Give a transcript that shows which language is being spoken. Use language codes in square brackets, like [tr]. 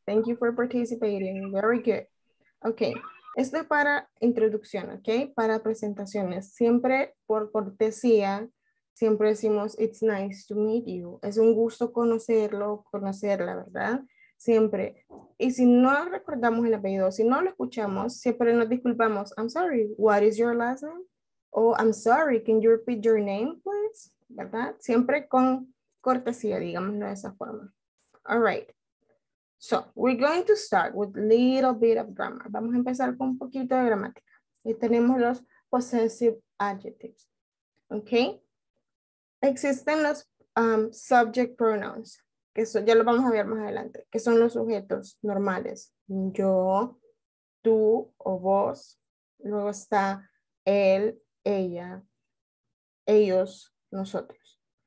[en] Thank you for participating. Very good. Okay. [es] Esto es para introducción, ok? Para presentaciones. Siempre por cortesía, siempre decimos, [en] it's nice to meet you. [es] Es un gusto conocerlo, conocerla, ¿verdad? Siempre. Y si no recordamos el apellido, si no lo escuchamos, siempre nos disculpamos. [en] I'm sorry, what is your last name? O I'm sorry, can you repeat your name, please? ¿Verdad? [es] Siempre con cortesía, digámoslo de esa forma. [en] All right. So, we're going to start with a little bit of grammar. [es] Vamos a empezar con un poquito de gramática. Y tenemos los possessive adjectives. Okay? Existen los subject pronouns, que son, ya lo vamos a ver más adelante, que son los sujetos normales. Yo, tú o vos. Luego está él, ella, ellos, nosotros.